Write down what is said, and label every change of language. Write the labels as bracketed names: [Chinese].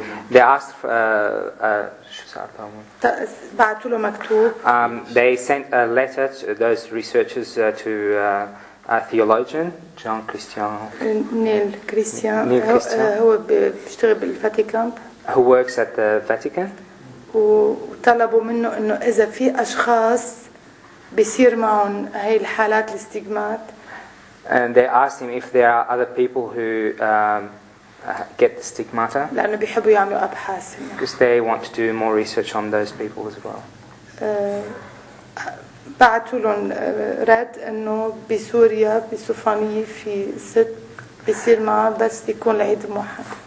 [English] They asked [Arabic] شو صارت هون. بعثوا له مكتوب. [English] They sent a letter to those researchers to a theologian John Christian. [Arabic] نيل كريستيان. هو بيشتغل بالفاتيكان. [English] Who works at the Vatican. [Arabic] وطلبوا منه إنه إذا في أشخاص بيصير معهم هاي الحالات الاستجمات. [English] And they asked him if there are other people who get the stigmata. [Arabic] لأنه بيحبوا يعملوا أبحاث. [English] Because they want to do more research on those people as well. [Arabic] بعثوا لهم رد إنه بسوريا بسوفانية في ست بيصير معه بس يكون لعيد موحد.